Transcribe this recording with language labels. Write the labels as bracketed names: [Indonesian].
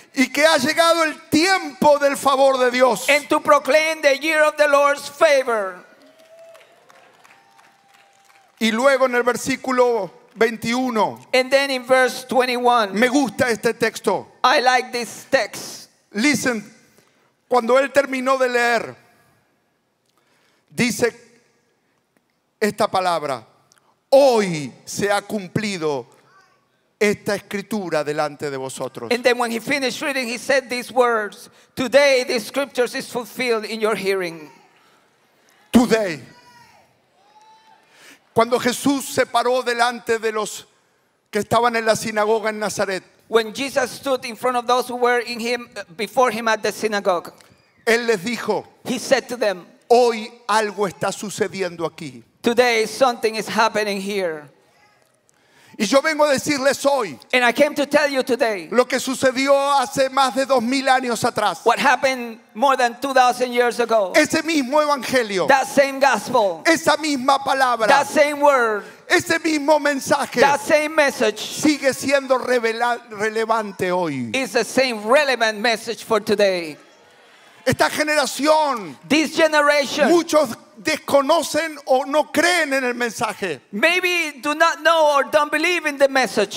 [Spanish] Y que ha llegado el tiempo del favor de Dios. [English] And to proclaim the year of the Lord's favor. [Spanish] Y luego en el versículo 21. [English] And then in verse 21. [Spanish] Me gusta este texto. [English] I like this text. Listen. [Spanish] Cuando él terminó de leer, dice esta palabra: hoy se ha cumplido esta escritura delante de vosotros. [English] And then when he finished reading, he said these words: "Today, the scriptures is fulfilled in your hearing." Today. [Spanish] Cuando Jesús se paró delante de los que estaban en la sinagoga en Nazaret. [English] When Jesus stood in front of those who were in him before him at the synagogue. [Spanish] Él les dijo. [English] He said to them. [Spanish] Hoy algo está sucediendo aquí. [English] Today something is happening here. [Spanish] Y yo vengo a decirles hoy. [English] And I came to tell you today. [Spanish] Lo que sucedió hace más de 2000 años atrás. [English] What happened more than 2000 years ago. [Spanish] Ese mismo evangelio. [English] That same gospel. [Spanish] Esa misma palabra. [English] That same word. [Spanish] Ese mismo mensaje. [English] That same message. [Spanish] Sigue siendo relevante hoy. [English] Is the same relevant message for today. [Spanish] Esta generación. [English] This generation. [Spanish] Muchos desconocen o no creen en el mensaje. [English] Maybe do not know or don't believe in the message.